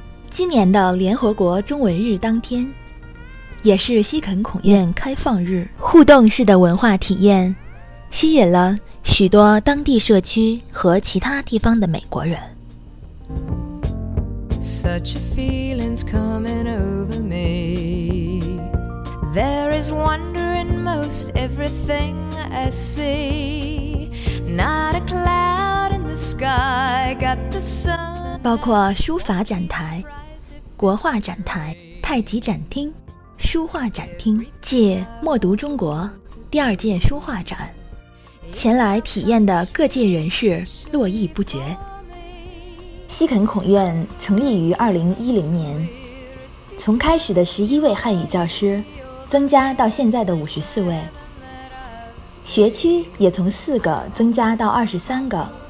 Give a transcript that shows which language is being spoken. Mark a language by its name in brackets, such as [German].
[Chinese] 今年的联合国中文日当天，也是西肯孔院开放日，互动式的文化体验吸引了许多当地社区和其他地方的美国人。 [English] Such a feeling's coming over me. There is wonder in most everything I see. Not a cloud in the sky, got the sun. [Chinese] 包括书法展台、国画展台、太极展厅、书画展厅，借默读中国第二届书画展，前来体验的各界人士络绎不绝。西肯孔院成立于2010年，从开始的11位汉语教师增加到现在的54位，学区也从4个增加到23个。